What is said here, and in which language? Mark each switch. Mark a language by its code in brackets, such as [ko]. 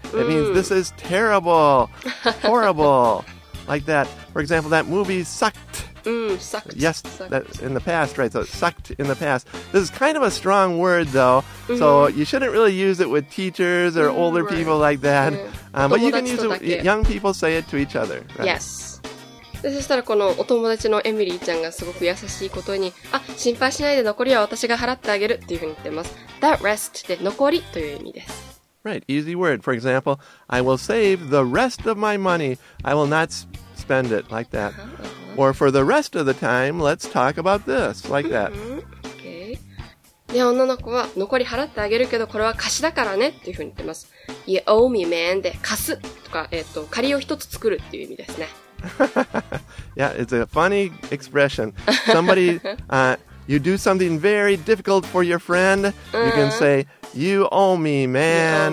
[en] It means this is terrible, horrible, like that. For example, that movie sucked. Sucked. Yes, sucked. That, in the past, right? So it sucked in the past. This is kind of a strong word, though. So you shouldn't really use it with teachers or older people like that. But you can use it with young people say it to each other.、Right? Yes. [ja] でそしたらこのお友達のエミリーちゃんがすごく優しいことに、あ、心配しないで残りは私が払ってあげるっていうふうに言ってます。 [en] That rest [ja] で残りという意味です。 [en] Right, easy word. For example, I will save the rest of my money. I will not spend it like that.、 Uh-huh. Or for the rest of the time, let's talk about this like that. [ja] で、女の子は残り払ってあげるけど、これは貸しだからねっていうふうに言ってます。 [en] You owe me, man. [ja] で、貸すとか、借りを一つ作るっていう意味ですね。 [en] Yeah, it's a funny expression. Somebody, you do something very difficult for your friend, you can say, you owe me, man.